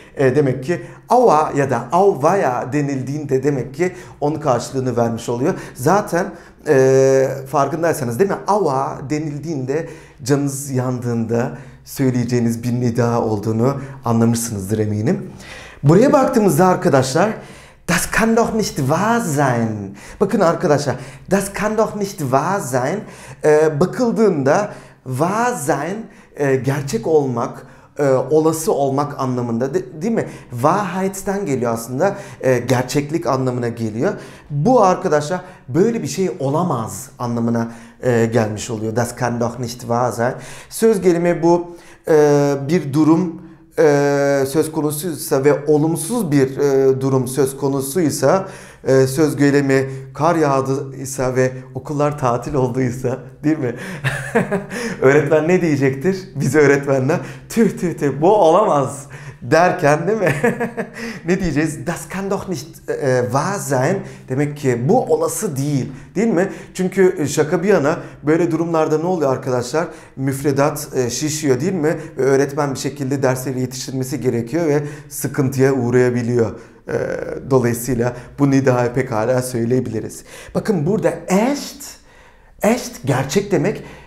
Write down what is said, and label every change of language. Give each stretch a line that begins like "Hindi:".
Turkish: Demek ki ava ya da avvaya denildiğinde demek ki onun karşılığını vermiş oluyor. Zaten farkındaysanız, değil mi? Ava denildiğinde canınız yandığında söyleyeceğiniz bir nida olduğunu anlamışsınızdır eminim. Buraya baktığımızda arkadaşlar,
German: das kann doch nicht wahr sein.
Turkish: Bakın arkadaşlar,
German: das kann doch nicht wahr sein.
Turkish: Bakıldığında
German: wahr sein,
Turkish: gerçek olmak, olası olmak anlamında, değil mi? Wahrheit'ten geliyor aslında, gerçeklik anlamına geliyor. Bu arkadaşlar böyle bir şey olamaz anlamına gelmiş oluyor.
German: Das kann doch nicht wahr sein.
Turkish: Söz gelimi bu bir durum söz konusuysa ve olumsuz bir durum söz konusuysa, söz gelimi kar yağdıysa ve okullar tatil olduysa, değil mi? Öğretmen ne diyecektir? Bize öğretmenler tüh tüh tüh bu olamaz derken, değil mi? Ne diyeceğiz?
German: Das kann doch nicht wahr sein.
Turkish: Demek ki bu olası değil, değil mi? Çünkü şaka bir yana, böyle durumlarda ne oluyor arkadaşlar? Müfredat şişiyor, değil mi? Ve öğretmen bir şekilde dersleri yetiştirmesi gerekiyor ve sıkıntıya uğrayabiliyor. Dolayısıyla bu nidayı pekala söyleyebiliriz. Bakın burada echt, echt gerçek demek.